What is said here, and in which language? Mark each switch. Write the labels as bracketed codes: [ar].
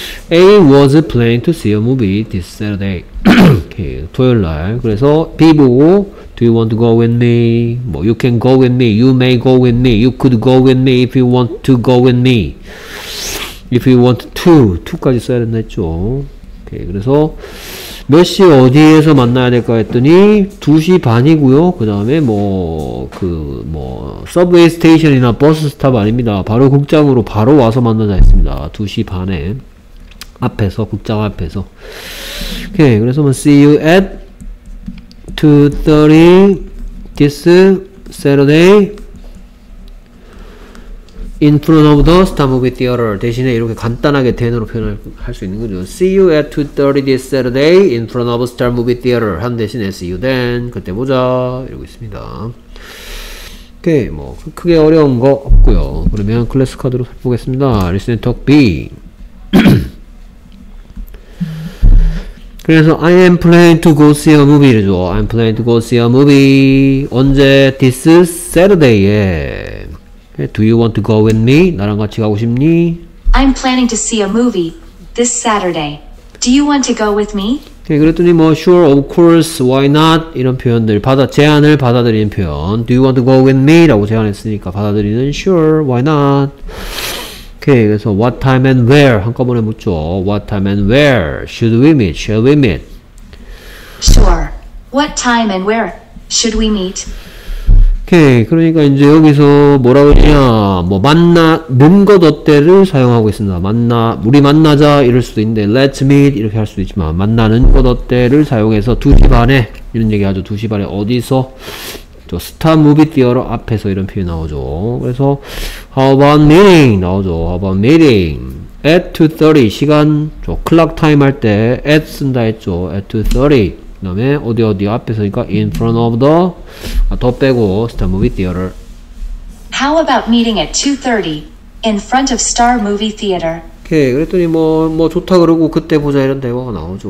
[en] A was planning to see a movie this Saturday. [ko] 토요일날. 그래서 B 보고 [en] Do you want to go with me? 뭐, You can go with me. You may go with me. You could go with me if you want to go with me. If you want to. [ko] 2까지 써야 된다 했죠. 오케이. 그래서 몇시 어디에서 만나야 될까 했더니 2시 반이고요. 그 다음에 뭐그뭐 서브웨이 스테이션이나 버스 스탑 아닙니다. 바로 극장으로 바로 와서 만나자 했습니다. 2시 반에 앞에서 극장 앞에서. 오케이. [en] 그래서 뭐 See you at 2:30 this Saturday in front of the Star Movie Theater. [ko] 대신에 이렇게 간단하게 대인으로 표현할 수 있는 거죠. [en] See you at 2:30 this Saturday in front of Star Movie Theater. [ko] 한 대신에 [en] See you then. [ko] 그때 보자. 이러고 있습니다. 오케이. 뭐 크게 어려운 거 없고요. 그러면 클래스 카드로 살펴보겠습니다. [en] Listen and talk B. 그래서 I am planning to go see a movie [ko] 이러죠. [en] I am planning to go see a movie. [ko] 언제? [en] This Saturday에. Do you want to go with me? [ko] 나랑 같이 가고 싶니? [en] I'm planning to see a movie this Saturday. Do you want to go with me? [ko] 그랬더니 뭐 [en] sure, of course, why not? [ko] 이런 표현들 받아 제안을 받아들이는 표현. [en] Do you want to go with me? [ko] 라고 제안했으니까 받아들이는 [en] sure, why not? [ko] 오케이, 그래서 [en] what time and where [ko] 한꺼번에 묻죠. [en] What time and where should we meet? Shall we meet? Sure. What time and where should we meet? [ko] 오케이. 그러니까 이제 여기서 뭐라 그러냐, 뭐 만나, 는것 어때를 사용하고 있습니다. 만나, 우리 만나자 이럴 수도 있는데 [en] Let's meet [ko] 이렇게 할 수도 있지만 만나는 것 어때를 사용해서 2시 반에 이런 얘기하죠. 2시 반에 어디서? 저 스타 무비 띄어러 앞에서 이런 표현이 나오죠. [en] 그래서 How about meeting? [ko] 나오죠. [en] How about meeting? At 2:30 [ko] 시간, 저 클락 타임 할때 at 쓴다 했죠. [en] At 2:30 [ko] 그다음에 어디 어디 앞에서니까 [en] in front of the [ko] 아, 더 빼고 스타 무비 띄어러. [en] How about meeting at 2:30 in front of Star Movie Theater? [ko] 오케이. 그랬더니 뭐 좋다 그러고 그때 보자 이런 대화가 나오죠.